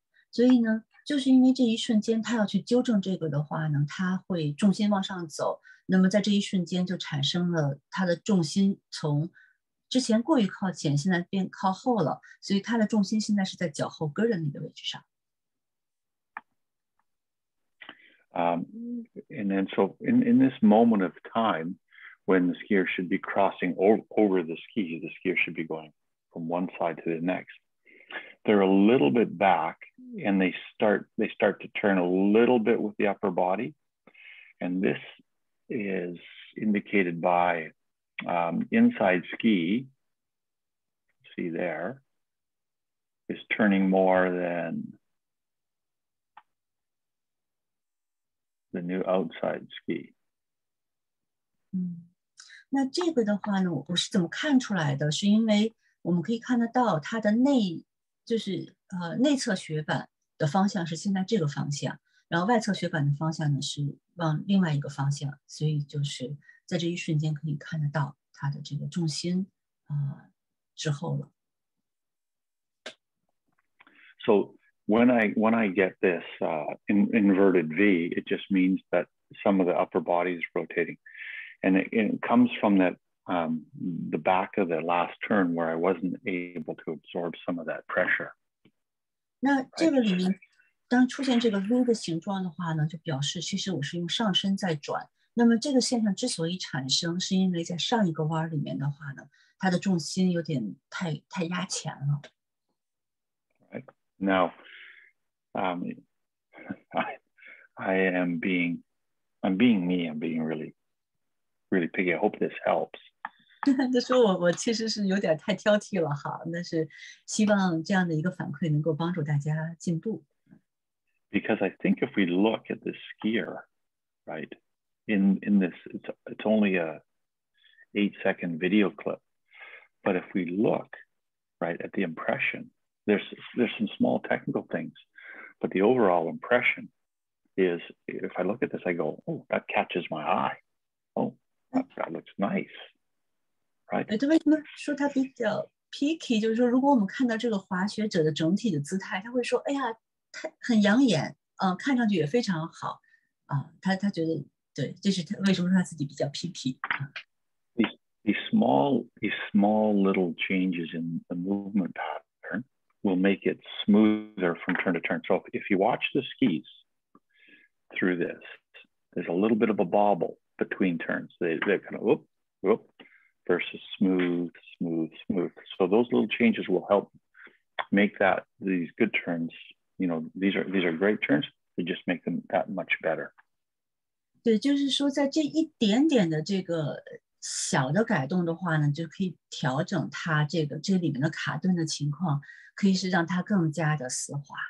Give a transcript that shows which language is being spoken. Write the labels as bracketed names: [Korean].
[Chinese] 所以呢，就是因为这一瞬间他要去纠正这个的话呢，他会重心往上走。那么在这一瞬间就产生了他的重心从之前过于靠前，现在变靠后了，所以它的重心现在是在脚后跟的那个位置上。 [English] And then so in this moment of time, when the skier should be crossing over the skier should be going from one side to the next. They're a little bit back, and they start to turn a little bit with the upper body. And this is indicated by inside ski, see there, is turning more than the new outside ski. [Chinese] 那这个的话呢，我是怎么看出来的？是因为我们可以看得到它的内，就是内侧雪板的方向是现在这个方向，然后外侧雪板的方向呢是往另外一个方向，所以就是在这一瞬间可以看得到它的这个重心之后了。 [English] So when I get this inverted V, it just means that some of the upper body is rotating, and it comes from that. The back of the last turn where I wasn't able to absorb some of that pressure. [Chinese] 那这个里面当出现这个 V 的形状的话呢，就表示其实我是用上身在转。那么这个现象之所以产生，是因为在上一个弯里面的话呢，它的重心有点太压前了。 [English] Right. Now, I'm being really... really picky. I hope this helps. [Chinese] 他说我其实是有点太挑剔了哈，但是希望这样的一个反馈能够帮助大家进步。 [English] Because I think if we look at the skier, right, in this, it's only a 8-second video clip. But if we look, right, at the impression, there's some small technical things, but the overall impression is, if I look at this, I go, oh, that catches my eye. Oh. That looks nice, right? [Chinese] 对，为什么说他比较 picky？就是说，如果我们看到这个滑雪者的整体的姿态，他会说：“哎呀，很养眼，看上去也非常好，他觉得对，这是他为什么说他自己比较 picky [English] 。”These small little changes in the movement pattern will make it smoother from turn to turn. So if you watch the skis through this, there's a little bit of a bobble. Between turns, they're kind of whoop versus smooth. So those little changes will help make that these good turns. You know, these are great turns. They just make them that much better. [Chinese] 对，就是说，在这一点点的这个小的改动的话呢，就可以调整它这个这里面的卡顿的情况，可以是让它更加的丝滑。